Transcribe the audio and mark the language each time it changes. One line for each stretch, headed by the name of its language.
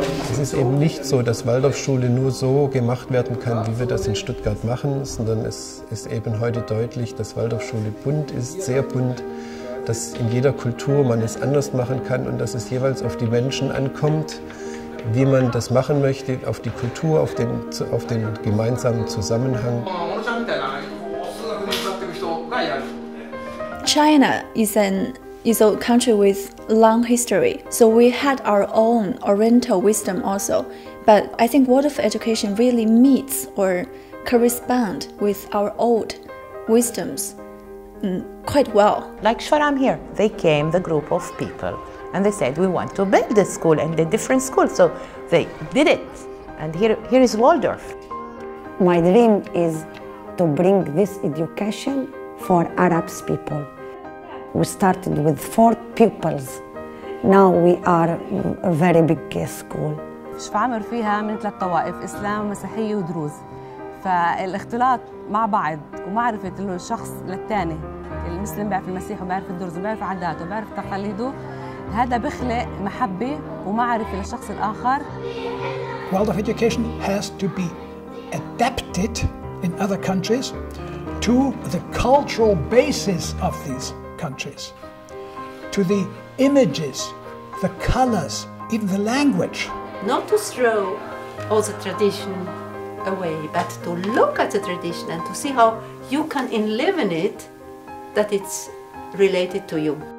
German: Es ist eben nicht so, dass Waldorfschule nur so gemacht werden kann, wie wir das in Stuttgart machen, sondern es ist eben heute deutlich, dass Waldorfschule bunt ist, sehr bunt, dass in jeder Kultur man es anders machen kann und dass es jeweils auf die Menschen ankommt, wie man das machen möchte, auf die Kultur, auf den gemeinsamen Zusammenhang.
English: China is a country with long history, so we had our own oriental wisdom also. But I think Waldorf education really meets or corresponds with our old wisdoms quite well. Like Shoram here, they came, the group of people, and they said, we want to build a school and a different school. So they did it. And here is Waldorf. My dream is to bring this education for Arab people. We started with 4 pupils. Now we are a very big school.
Arabic: شفعمر فيها من 3 طوائف إسلام ومسيحية ودروز. فالاختلاط مع بعض ومعرفة الشخص للثاني. المسلم بيعرف المسيح وبيعرف الدروز وبيعرف عاداته وبيعرف تقاليده. هذا بخلق محبة ومعرفة للشخص الآخر.
English: Waldorf education has to be adapted in other countries to the cultural basis of these countries, to the images, the colors, even the language. Not to throw all the tradition away, but to look at the tradition and to see how you can live in it, that it's related to you.